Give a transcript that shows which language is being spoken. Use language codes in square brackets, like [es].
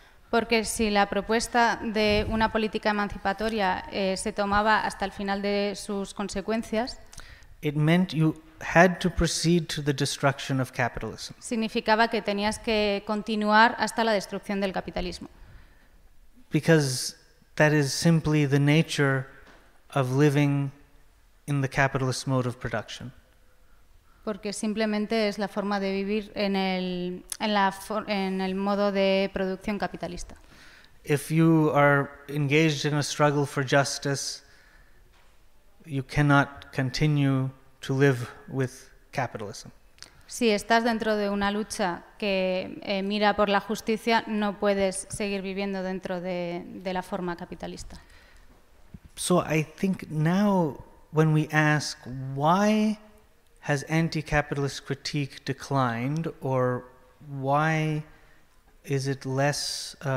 [es] Porque si la propuesta de una política emancipatoria se tomaba hasta el final de sus consecuencias. [en] It meant you had to proceed to the destruction of capitalism. [es] Significaba que tenías que continuar hasta la destrucción del capitalismo. [en] Because that is simply the nature of living in the capitalist mode of production. [es] Porque simplemente es la forma de vivir en el modo de producción capitalista. [en] If you are engaged in a struggle for justice, you cannot continue to live with capitalism. [es] Si estás dentro de una lucha que mira por la justicia, no puedes seguir viviendo dentro de la forma capitalista. [en] So I think now when we ask why has anti-capitalist critique declined, or why is it less?